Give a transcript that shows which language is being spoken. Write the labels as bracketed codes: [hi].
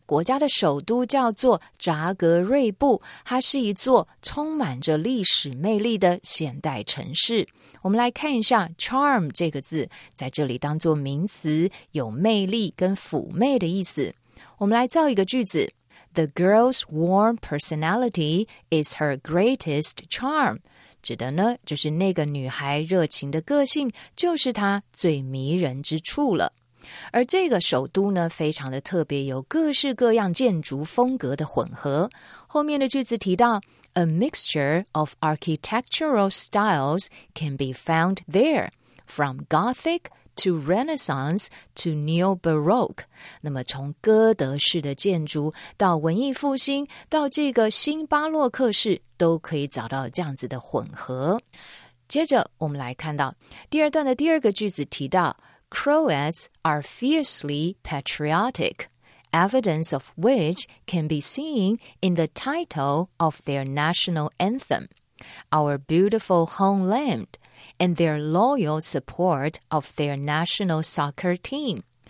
[zh] 国家的首都叫做扎格瑞布，它是一座充满着历史魅力的现代城市。我们来看一下 charm 这个字，在这里当作名词，有魅力跟妩媚的意思。我们来造一个句子。 [en] The girl's warm personality is her greatest charm. [zh] 指的呢，就是那个女孩热情的个性，就是她最迷人之处了。而这个首都呢，非常的特别，有各式各样建筑风格的混合。后面的句子提到 [en] ,A mixture of architectural styles can be found there, from Gothic to Renaissance to Neo-Baroque. [zh] 那么从哥德式的建筑到文艺复兴到这个新巴洛克式都可以找到这样子的混合。接着我们来看到第二段的第二个句子提到 [en] Croats are fiercely patriotic, evidence of which can be seen in the title of their national anthem, Our Beautiful Homeland,and their loyal support of their national soccer team.